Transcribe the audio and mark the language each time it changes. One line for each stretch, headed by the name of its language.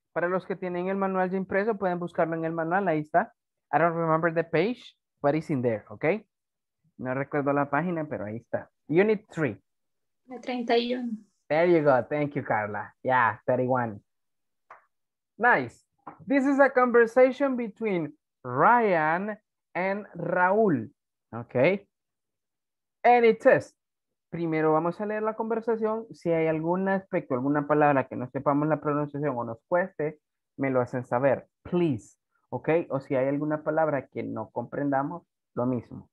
Spanish: Para los que tienen el manual ya impreso, pueden buscarlo en el manual. Ahí está.
English: I don't remember the page, but it's in there, okay?
Spanish: No recuerdo la página, pero ahí está. Unit 3. 31.
English: There you go. Thank you, Carla. Yeah, 31. Nice. This is a conversation between Ryan and Raúl.
Spanish: Okay.
English: And it says,
Spanish: primero vamos a leer la conversación. Si hay algún aspecto, alguna palabra que no sepamos la pronunciación o nos cueste, me lo hacen saber. Please. Okay. O si hay alguna palabra que no comprendamos, lo mismo.